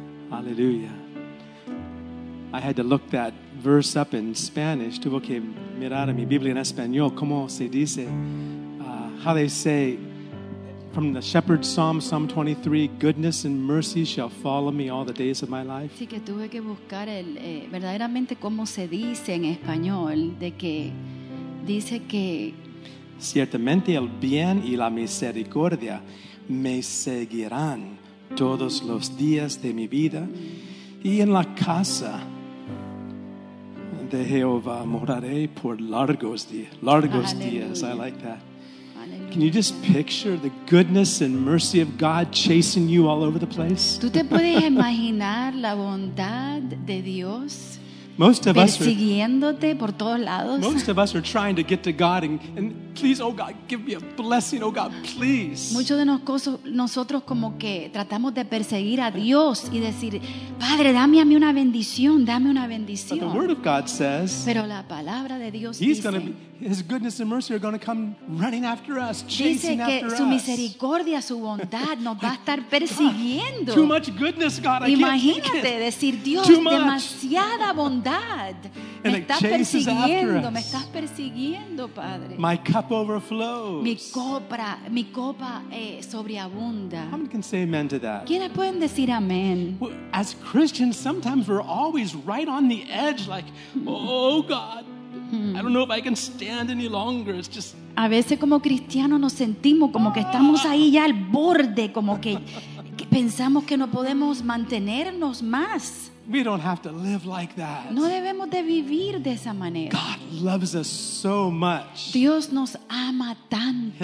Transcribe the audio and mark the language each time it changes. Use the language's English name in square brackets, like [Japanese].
[English] Hallelujah. I had to look that verse up in Spanish. [Spanish] Tuve que mirar mi Biblia en español. ¿Cómo se dice? [English] How they say from the Shepherd's Psalm, Psalm 23, goodness and mercy shall follow me all the days of my life. [Spanish] Sí, que tuve que buscar el verdaderamente cómo se dice en español, de que dice que ciertamente el bien y la misericordia me seguirán todos los días de mi vida y en la casa de Jehová moraré por largos días. Largos días. [English] I like that. Hallelujah. Can you just picture the goodness and mercy of God chasing you all over the place? [Spanish] ¿Tú te puedes imaginar la bondad de Dios? [English] Most of us [Spanish] persiguiéndote por todos lados. [English] Most of us are trying to get to God and please, oh God, give me a blessing, oh God, please. [Spanish] Muchos de nosotros como que tratamos de perseguir a Dios y decir, Padre, dame una bendición. [English] But the Word of God says, [Spanish] pero la palabra de Dios dice, [English] His goodness and mercy are going to come running after us, chasing after us. [Spanish] Dice que su misericordia, su bondad, nos va a estar persiguiendo. [English] Too much goodness, God. [Spanish] Imagínate decir, Dios, demasiada bondad. Me estás persiguiendo, me estás persiguiendo, Padre. [English] My cup overflows. [Spanish] Mi copa sobreabunda. [English] How many can say amen to that? [Spanish] ¿Quiénes pueden decir amén? [English] Well, as Christians, sometimes we're always right on the edge, like, oh God. I don't know if I can stand any longer. It's just. [Spanish] A veces como cristianos nos sentimos como que estamos ahí ya al borde, como que pensamos que no podemos mantenernos más. [English] We don't have to live like that. [Spanish] No debemos de vivir de esa manera. [English] God loves us so much. [Spanish] Dios nos ama tanto.